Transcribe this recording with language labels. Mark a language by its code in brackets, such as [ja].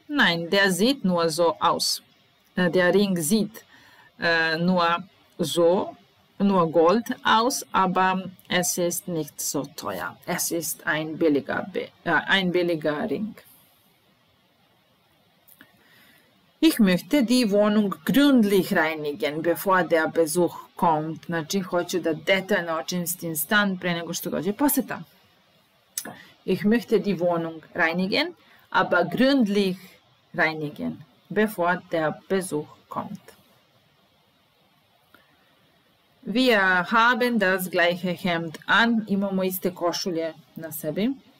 [de] Nein, der sieht nur so aus. Der Ring sieht nur Gold aus, aber es ist nicht so teuer. Es ist ein billiger Ring. Ich möchte die Wohnung gründlich reinigen, bevor der Besuch kommt. [sr] Znači, hoću da detaljno očistim stan pre nego što dođe poseta. [de] Ich möchte die Wohnung reinigen, aber gründlich reinigen, bevor der Besuch kommt. Wir haben das gleiche Hemd an, imamo iste košulje na sebi.